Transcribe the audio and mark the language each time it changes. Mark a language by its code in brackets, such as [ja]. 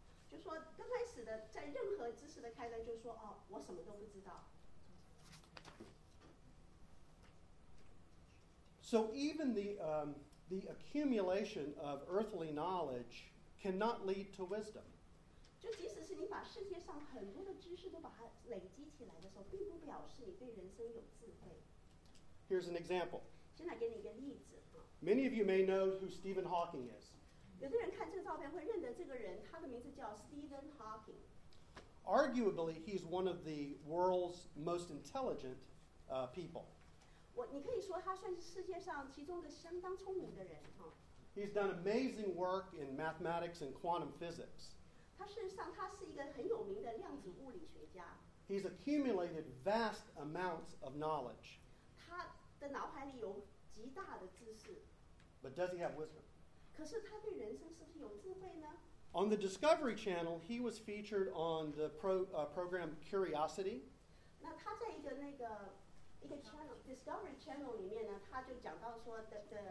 [zh] 就说刚开始的在任何知识的开端，就是说哦，我什么都不知道。 [en] So even the accumulation of earthly knowledge cannot lead to wisdom. [zh] 就即使是你把世界上很多的知识都把它累积起来的时候，并不表示你对人生有智慧。 [en] Here's an example. [zh] 先来给你一个例子。 [en] Many of you may know who Stephen Hawking is. [zh] 有的人看这个照片会认得这个人，他的名字叫 Stephen Hawking。 [en] Arguably, he's one of the world's most intelligent people. [zh] 你可以说他算是世界上其中一个相当聪明的人。 [en] He's done amazing work in mathematics and quantum physics. [zh] 他事实上他是一个很有名的量子物理学家。 [en] He's accumulated vast amounts of knowledge. [zh] 他的脑海里有极大的知识。 [en] But does he have wisdom? [zh] 可是他对人生是不是有智慧呢？ [en] On the Discovery Channel, he was featured on the program Curiosity. [zh] 那他在一个 channel, Discovery Channel 里面呢，他就讲到说的